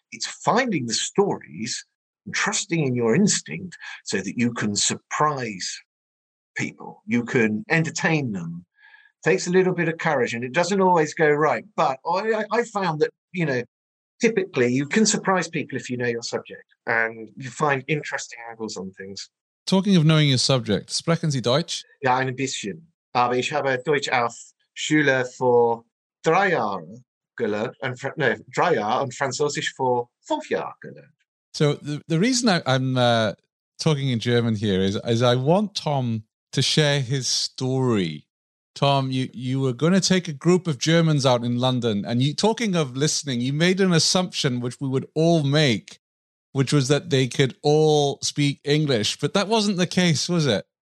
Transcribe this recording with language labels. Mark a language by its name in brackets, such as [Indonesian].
[English] It's finding the stories and trusting in your instinct so that you can surprise people. You can entertain them. It takes a little bit of courage, and it doesn't always go right. But I found that, you know, typically, you can surprise people if you know your subject and you find interesting angles on things. Talking of knowing your subject, [German] sprechen Sie Deutsch? Ja, ein bisschen. Aber ich habe Deutsch auf Schule für 3 Jahre gelernt. No, 3 Jahre und Französisch für 5 Jahre gelernt. [English] So the reason I'm talking in German here is I want Tom to share his story. Tom, you were going to take a group of Germans out in London, and you, talking of listening, you made an assumption which we would all make, which was that they could all speak English, but that wasn't the case, was it?